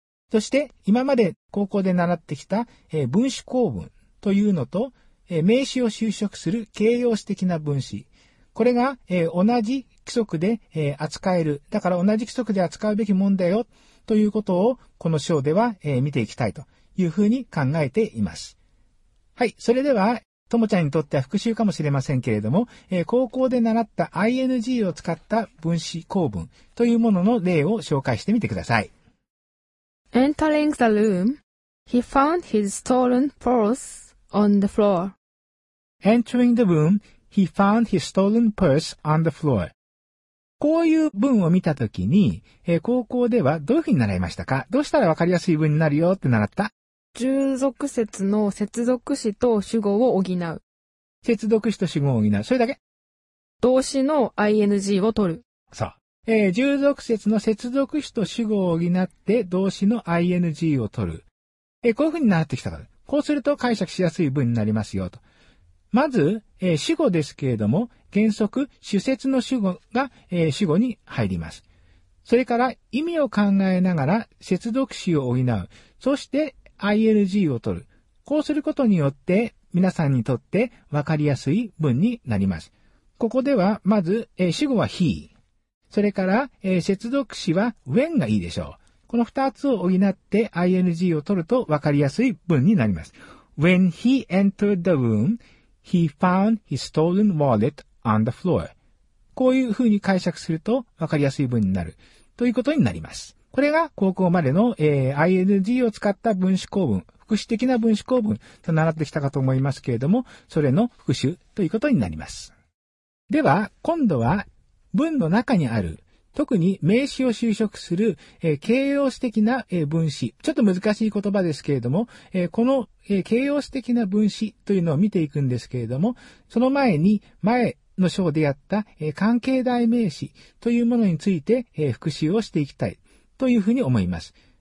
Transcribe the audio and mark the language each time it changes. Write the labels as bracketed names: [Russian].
[Japanese] そして今まで高校で習ってきた、分子構文というのと、名詞を修飾する形容詞的な分子、これが、同じ規則で、扱える、だから同じ規則で扱うべきもんだよということを、この章では、見ていきたいというふうに考えています。はい、それではともちゃんにとっては復習かもしれませんけれども、高校で習った ING を使った分子構文というものの例を紹介してみてください。 [English] Entering the room, he found his stolen purse on the floor. Entering the room, he found his stolen purse on the floor. [Japanese] こういう文を見たときに、高校ではどういうふうに習いましたか？どうしたらわかりやすい文になるよって習った？従属節の接続詞と主語を補う。接続詞と主語を補う。それだけ。動詞の ing を取る。そう。従属節の接続詞と主語を補って動詞の ing を取る。こういう風になってきたから。こうすると解釈しやすい文になりますよと。まず、主語ですけれども、原則、主節の主語が、主語に入ります。それから、意味を考えながら接続詞を補う。そして、ing を取る。こうすることによって皆さんにとって分かりやすい文になります。ここではまず、主語は he、 それから、接続詞は when がいいでしょう。この2つを補って ing を取ると分かりやすい文になります。 [English] When he entered the room, he found his stolen wallet on the floor. [Japanese] こういうふうに解釈すると分かりやすい文になるということになります。これが高校までの、ING を使った分子構文、副詞的な分子構文と習ってきたかと思いますけれども、それの復習ということになります。では、今度は文の中にある、特に名詞を修飾する、形容詞的な、分子、ちょっと難しい言葉ですけれども、この、形容詞的な分子というのを見ていくんですけれども、その前に前の章でやった、関係代名詞というものについて、復習をしていきたい。というふうに思います。